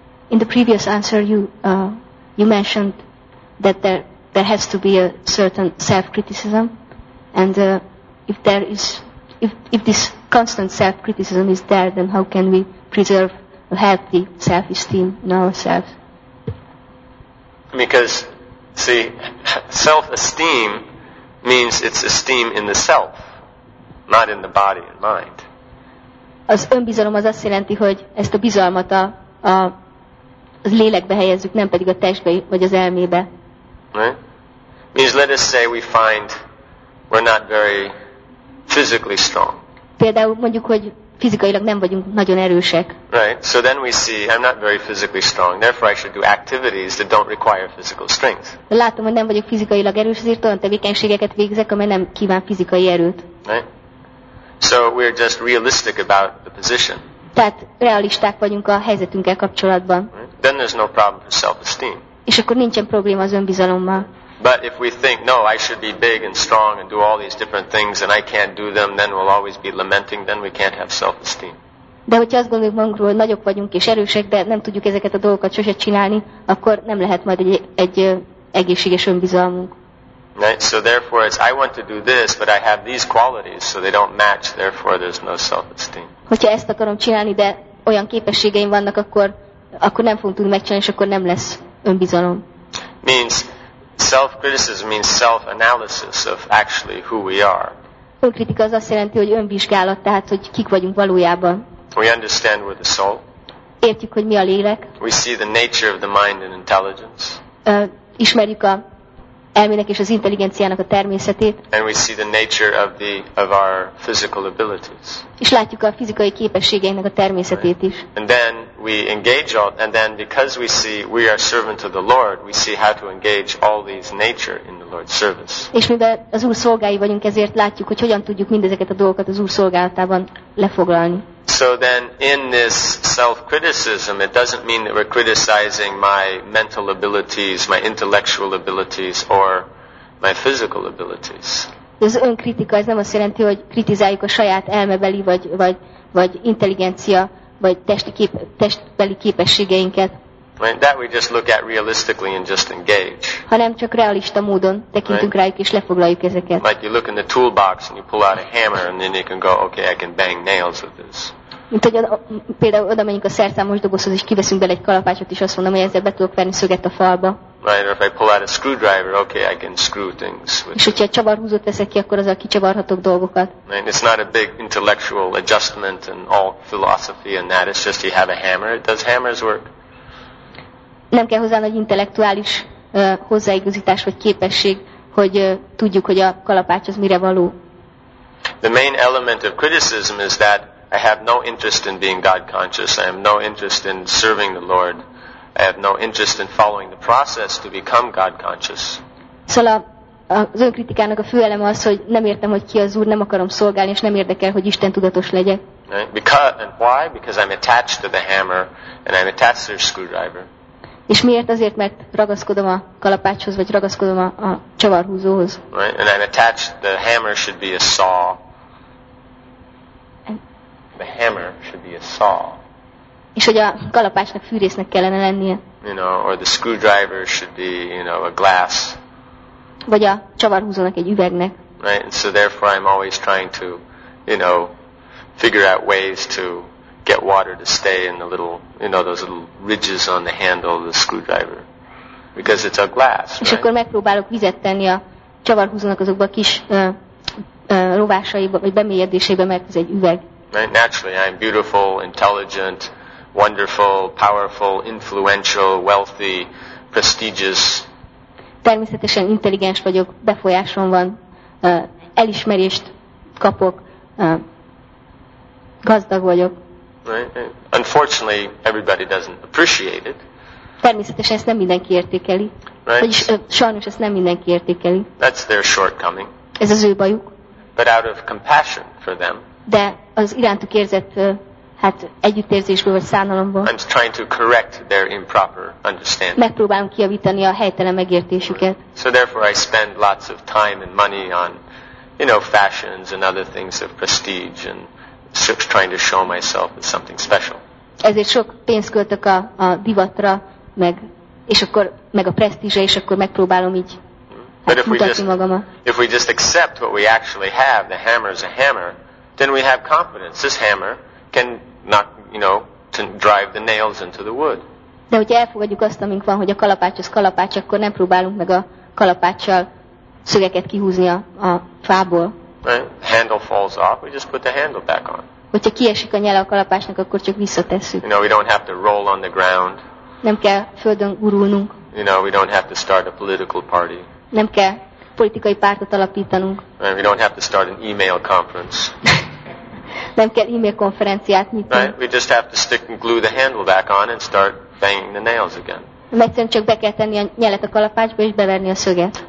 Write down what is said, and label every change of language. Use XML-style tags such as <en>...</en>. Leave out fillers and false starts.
<en>In the previous answer, you mentioned that there has to be a certain self-criticism, and if this constant self-criticism is there, then how can we preserve a healthy self-esteem in ourselves? Because, see, self-esteem means it's esteem in the self, not in the body and mind.</en> <hu>Az önbizalom az azt jelenti, hogy ezt a bizalmat a az lélekbe helyezzük, nem pedig a testbe vagy az elmébe.</hu> <en>Right? Means let us say we find we're not very physically strong.</en> <hu>Például mondjuk, hogy fizikailag nem vagyunk nagyon erősek.</hu> <en>Right. So then we see I'm not very physically strong. Therefore I should do activities that don't require physical strength.</en> <hu>De látom, hogy nem vagyok fizikailag erős, ezért olyan tevékenységeket végzek, amely nem kíván fizikai erőt.</hu> <en>Right. So we're just realistic about the position.</en> <hu>Tehát realisták vagyunk a helyzetünkkel kapcsolatban.</hu> <en>Then there's no problem with self-esteem.</en> <hu>És akkor nincsen probléma az önbizalommal.</hu> <en>But if we think, no, I should be big and strong and do all these different things and I can't do them, then we'll always be lamenting, then we can't have self-esteem.</en> <hu>De hogyha azt gondoljuk magunkról, hogy nagyok vagyunk és erősek, de nem tudjuk ezeket a dolgokat sose csinálni, akkor nem lehet majd egy egészséges önbizalmunk.</hu> <en>Right? So therefore it's I want to do this, but I have these qualities, so they don't match, therefore there's no self-esteem.</en> <hu>Hogyha ezt akarom csinálni, de olyan képességeim vannak, akkor nem fogunk tudni megcsinálni, és akkor nem lesz önbizalom.</hu> <en>Means self-criticism means self-analysis of actually who we are.</en> <hu>Önkritika az azt jelenti, hogy önvizsgálat, tehát hogy kik vagyunk valójában.</hu> <en>We understand we're the soul.</en> <hu>Értjük, hogy mi a lélek.</hu> <en>We see the nature of the mind and intelligence.</en> <hu>Ismerjük a elmének és az intelligenciának a természetét.</hu> <en>And we see the nature of our physical abilities.</en> <hu>És látjuk a fizikai képességeinknek a természetét is.</hu> <en>And then we engage all, and then because we see we are servant of the Lord, we see how to engage all these nature in the Lord's service.</en> <hu>És mivel az Úr szolgái vagyunk, ezért látjuk, hogy hogyan tudjuk mindezeket a dolgokat az Úr szolgálatában lefoglalni.</hu> <en>So then in this self-criticism, it doesn't mean that we're criticizing my mental abilities, my intellectual abilities, or my physical abilities.</en> <hu>Az önkritika, ez nem azt jelenti, hogy kritizáljuk a saját elmebeli, vagy intelligencia, vagy testbeli képességeinket.</hu> <en>Right, that we just look at realistically and just engage.</en> <hu>Hanem csak realista módon tekintünk</hu> <en>right?</en> <hu>rájuk és lefoglaljuk ezeket.</hu> <en>Like you look in the toolbox and you pull out a hammer and then you can go, okay, I can bang nails with this.</en> <hu>Mint hogy például oda menjünk a szerszámos dobozhoz és kiveszünk bele egy kalapácsot és azt mondom, hogy ezzel be tudok verni szöget a falba.</hu> <en>Right, or if I pull out a screwdriver, okay, I can screw things.</en> <hu>És hogyha egy csavarhúzót veszek ki, akkor azzal kicsavarhatok dolgokat.</hu> <en>And it's not a big intellectual adjustment and all philosophy and that. It's just you have a hammer. Does hammers work?</en> <hu>Nem kell hozzá nagy intellektuális hozzáigazítás vagy képesség, hogy tudjuk, hogy a kalapács az mire való.</hu> <en>The main element of criticism is that I have no interest in being God conscious. I have no interest in serving the Lord. I have no interest in following the process to become God conscious.</en> <hu>Szóval az önkritikának a fő eleme az, hogy nem értem, hogy ki az Úr, nem akarom szolgálni, és nem érdekel, hogy Isten tudatos legyek.</hu> <en>Right? Because, and why? Because I'm attached to the hammer and I'm attached to the screwdriver.</en> <hu>És miért? Azért, mert ragaszkodom a kalapácshoz, vagy ragaszkodom a csavarhúzóhoz.</hu> <en>Right? And I'm attached, the hammer should be a saw. The hammer should be a saw.</en> <hu>És hogy a kalapácsnak fűrésznek kellene lennie.</hu> <en>You know, or the screwdriver should be, you know, a glass.</en> <hu>Vagy a csavarhúzónak egy üvegnek.</hu> <en>Right? And so therefore I'm always trying to, you know, figure out ways to get water to stay in the little, you know, those little ridges on the handle of the screwdriver. Because it's a glass, right?</en> <hu>És akkor megpróbálok vizet tenni a csavarhúzónak azokba a kis rovásaiba, vagy bemélyedésébe, mert ez egy üveg.</hu> <en>Right? Naturally, I'm beautiful, intelligent, wonderful, powerful, influential, wealthy, prestigious.</en> <hu>Természetesen intelligens vagyok, befolyásom van, elismerést kapok, gazdag vagyok.</hu> <en>Right. Unfortunately, everybody doesn't appreciate it.</en> <hu>Természetesen ezt nem mindenki értékeli.</hu> <en>Right.</en> <hu>Vagyis sajnos ezt nem mindenki értékeli.</hu> <en>That's their shortcoming.</en> <hu>Ez az ő bajuk.</hu> <en>But out of compassion for them.</en> <hu>De az irántuk érzett hát együttérzésből vagy szánalomból.</hu> <en>I'm trying to correct their improper understanding.</en> <hu>Megpróbálom kijavítani a helytelen megértésüket.</hu> <en>So therefore I spend lots of time and money on, you know, fashions and other things of prestige and trying to show myself as something special.</en> <hu>Ezért sok pénzt költök a divatra, meg a presztízsre, és akkor megpróbálom így mutatni magamat.</hu> <en>If we just accept what we actually have, the hammer is a hammer, then we have confidence. This hammer can knock, you know, to drive the nails into the wood.</en> <hu>De hogyha elfogadjuk azt, amink van, hogy a kalapács az kalapács, akkor nem próbálunk meg a kalapáccsal szögeket kihúzni a fából.</hu> <en>Right? Handle falls off, we just put the handle back on.</en> <hu>Hogyha kiesik a nyele a kalapácsnak, akkor csak visszatesszük.</hu> <en>You know, we don't have to roll on the ground.</en> <hu>Nem kell földön gurulnunk.</hu> <en>You know, we don't have to start a political party.</en> <hu>Nem kell politikai pártot alapítanunk.</hu> <en>Right? We don't have to start an email conference.</en> <hu>Nem kell e-mail konferenciát nyitni.</hu> <en>Right? We just have to stick and glue the handle back on and start banging the nails again.</en> <hu>Megszerint csak be kell tenni a nyelet a kalapácsba és beverni a szöget.</hu>